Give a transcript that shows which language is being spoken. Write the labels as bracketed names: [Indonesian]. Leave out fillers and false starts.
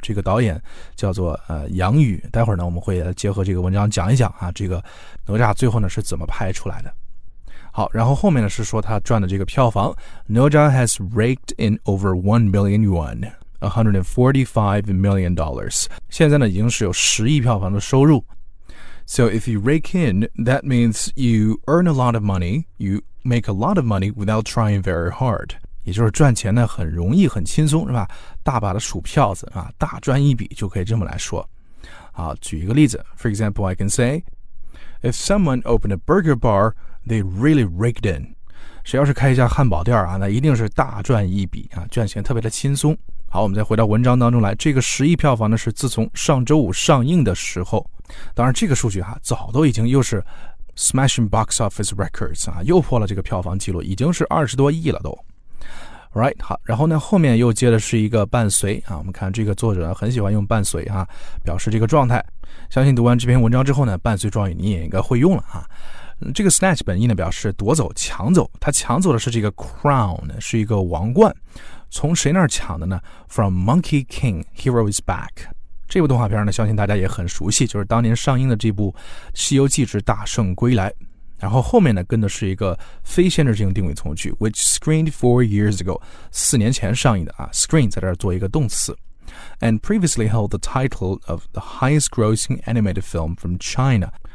[Chinese] 这个导演叫做杨宇，待会儿呢，我们会结合这个文章讲一讲啊，这个哪吒最后呢是怎么拍出来的。好，然后后面呢是说他赚的这个票房 ， [English] Ninja has raked in over 1 billion yuan。 $145 million. [Chinese] 现在呢，已经是有10亿票房的收入。 [English] So if you rake in, that means you earn a lot of money, you make a lot of money without trying very hard. [Chinese] 也就是赚钱呢很容易，很轻松，是吧？大把的数票子啊，大赚一笔就可以这么来说。好，举一个例子。 [English] For example, I can say, if someone opened a burger bar, they really raked in. [Chinese] 谁要是开一家汉堡店啊，那一定是大赚一笔啊，赚钱特别的轻松。好，我们再回到文章当中来。这个十亿票房呢，是自从上周五上映的时候，当然这个数据哈、啊，早都已经又是 [English] smashing box office records [Chinese] 啊，又破了这个票房记录，已经是20多亿了都。 Right， 好，然后呢，后面又接的是一个伴随啊。我们看这个作者很喜欢用伴随啊，表示这个状态。相信读完这篇文章之后呢，伴随状语你也应该会用了啊。这个 snatch 本意呢表示夺走、抢走，他抢走的是这个 crown， 是一个王冠。从谁那儿抢的呢 ？From Monkey King, Hero is Back。这部动画片呢，相信大家也很熟悉，就是当年上映的这部《西游记之大圣归来》。然后后面呢，跟的是一个非限制性定语从句 ， [English] which screened 4 years ago， [Chinese] 4年前上映的啊。 [English] Screen [Chinese] 在这儿做一个动词 [English] ，and previously held the title of the highest grossing animated film from China。